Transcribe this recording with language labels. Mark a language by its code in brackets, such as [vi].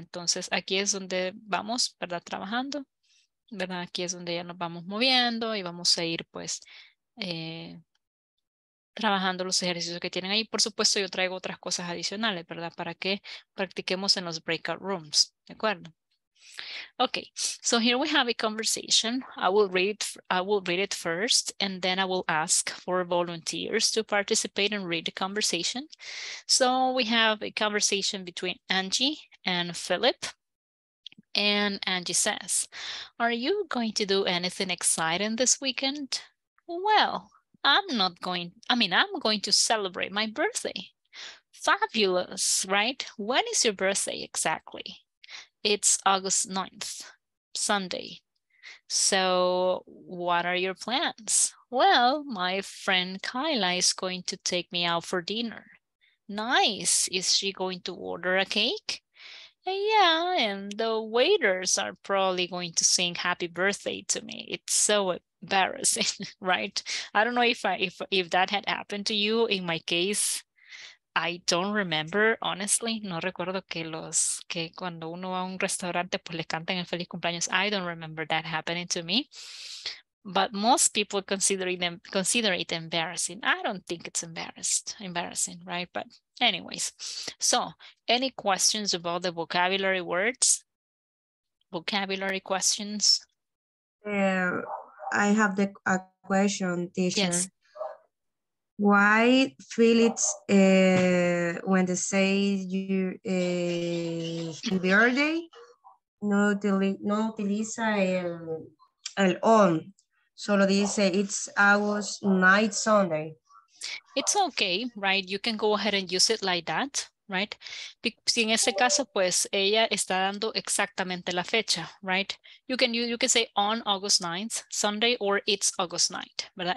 [es] Entonces, aquí es donde vamos, ¿verdad? Trabajando, ¿verdad? Aquí es donde ya nos vamos moviendo y vamos a ir, pues, trabajando los ejercicios que tienen ahí. Por supuesto, yo traigo otras cosas adicionales, ¿verdad? Para que practiquemos en los breakout rooms, ¿de acuerdo? [en] Okay, so here we have a conversation. I will read it first, and then I will ask for volunteers to participate and read the conversation. So we have a conversation between Angie and Philip, and Angie says, "Are you going to do anything exciting this weekend?" "Well, I'm going to celebrate my birthday." "Fabulous, right? When is your birthday exactly?" "It's August 9th, Sunday." "So what are your plans?" "Well, my friend Kyla is going to take me out for dinner." "Nice. Is she going to order a cake?" "Yeah, and the waiters are probably going to sing happy birthday to me. It's so embarrassing," right? I don't know if that had happened to you. In my case, I don't remember, honestly. [es] No recuerdo que cuando uno va a un restaurante, pues le canten el feliz cumpleaños. [en] I don't remember that happening to me. But most people consider it embarrassing. I don't think it's embarrassing, right? But anyways, so any questions about the vocabulary words? Vocabulary questions? I have a question, teacher. Yes. Why Philip's when they say your birthday [es] no utiliza el on, solo dice [en] it's August 9th, Sunday. It's okay, right? You can go ahead and use it like that, right? [es] Si en ese caso pues ella está dando exactamente la fecha, right? [en] You can say on August 9th, Sunday, or it's August 9th, ¿verdad?